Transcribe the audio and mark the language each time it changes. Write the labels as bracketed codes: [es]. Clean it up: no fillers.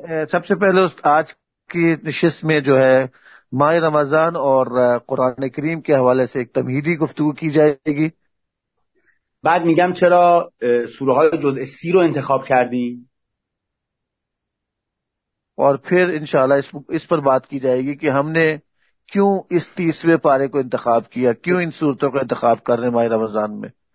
[ur] سب سے پہلے آج کی نشست میں جو ہے ماہ رمضان اور قرآن کریم کے حوالے سے ایک تمہیدی گفتگو کی جائے گی، [fa] بعد میگم چرا سوره های جزء 30 رو انتخاب کردیم، [ur] اور پھر انشاءاللہ اس پر بات کی جائے گی کہ ہم نے کیوں اس 30ویں پارے کو انتخاب کیا، کیوں ان صورتوں کو انتخاب کر رہے ہیں ماہ رمضان میں.